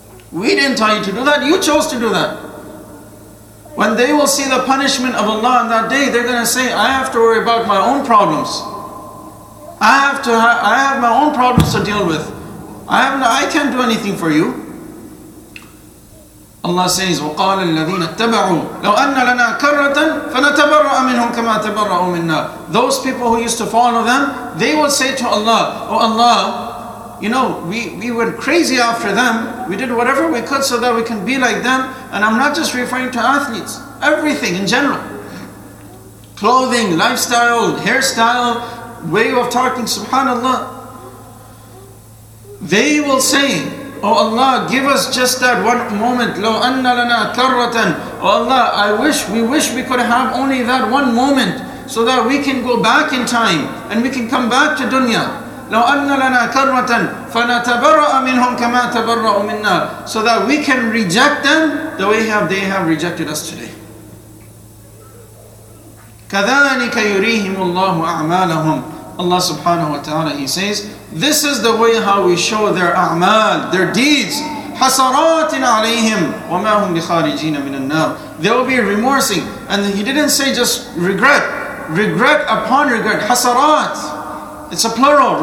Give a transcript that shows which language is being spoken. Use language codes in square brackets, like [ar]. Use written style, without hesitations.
[en] We didn't tell you to do that. You chose to do that. When they will see the punishment of Allah on that day, they're going to say, I have to worry about my own problems. I have my own problems to deal with. I can't do anything for you. [ar] Allah says, وَقَالَ الَّذِينَ اتَّبَعُوا لَوْ أَنَّ لَنَا كَرَّةً فَنَتَبَرَّأَ مِنْهُمْ كَمَا تَبَرَّأُوا مِنَّا. [en] Those people who used to follow them, they would say to Allah, oh Allah, you know, we went crazy after them. We did whatever we could so that we can be like them. And I'm not just referring to athletes. Everything in general. Clothing, lifestyle, hairstyle, way of talking, subhanAllah. They will say, oh Allah, give us just that one moment. [ar] لَوْ أَنَّ لَنَا كَرَّةً. [en] Oh Allah, we wish we could have only that one moment so that we can go back in time and we can come back to dunya. [ar] لو أن لنا كرمة فنتبرأ منهم كما تبرأوا منا. [en] So that we can reject them the way they have rejected us today. [ar] كذلك يريهم الله أعمالهم. [en] Allah subhanahu wa ta'ala, He says, this is the way how we show their a'mal, their deeds. [ar] حَسَرَاتٍ عَلَيْهِمْ وَمَا هُمْ بِخَارِجِينَ مِنَ النَّارِ. [en] They will be remorsing. And He didn't say just regret. Regret upon regret. حَسَرَات. It's a plural.